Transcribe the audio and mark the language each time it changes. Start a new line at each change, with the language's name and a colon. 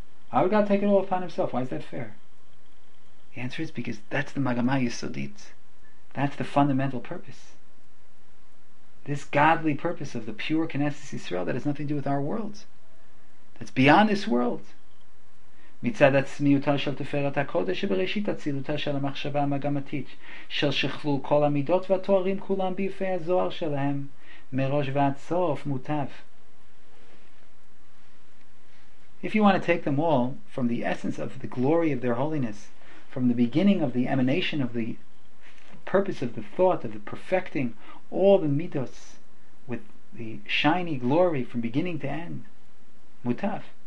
English: Why would God take it all upon himself? Why is that fair? The answer is because that's the
Hebrew: magama yisodit.
English: That's the fundamental purpose. This godly purpose of the pure Knesset Yisrael that has nothing to do with our world, that's beyond this world.
Hebrew: מצד עצמיותה של תפארת הקודש שבראשית הצילותה של המחשבה המגמתית של שכלול כל המידות והתוארים כולם ביפי הזוהר שלהם מראש ועד סוף מוטב.
English: If you want to take them all from the essence of the glory of their holiness, from the beginning of the emanation of the purpose of the thought, of the perfecting all the midos with the shiny glory from beginning to end, mutaf.